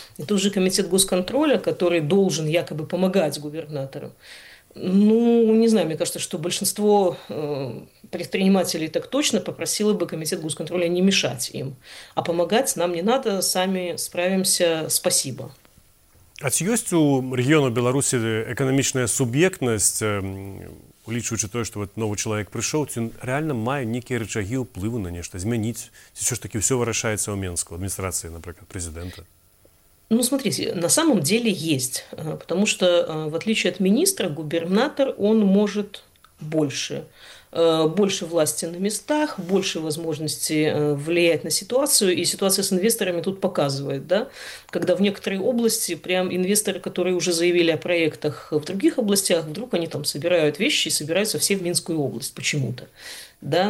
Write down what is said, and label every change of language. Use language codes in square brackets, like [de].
[ru] Это уже комитет госконтроля, который должен якобы помогать губернатору. Ну, не знаю, мне кажется, что большинство предпринимателей так точно попросило бы комитет госконтроля не мешать им. А помогать нам не надо, сами справимся, спасибо. [be] А ці ёсць у рэгіёну Беларусі эканамічная суб'ектнасць, улічваючы тое, што вот новы чалавек прыйшоў, ці рэальна мае нейкія рычагі ўплыву на нешта, змяніць? Ці ўсё ж такі ўсё вырашаецца ў Менску, адміністрацыі, напрыклад, прэзідэнта? [ru] Ну, смотрите, на самом деле есть, потому что в отличие от министра, губернатор, он может больше. Больше власти на местах, больше возможности влиять на ситуацию. И ситуация с инвесторами тут показывает, да? Когда в некоторой области прям инвесторы, которые уже заявили о проектах в других областях, вдруг они там собирают вещи и собираются все в Минскую область почему-то. Да?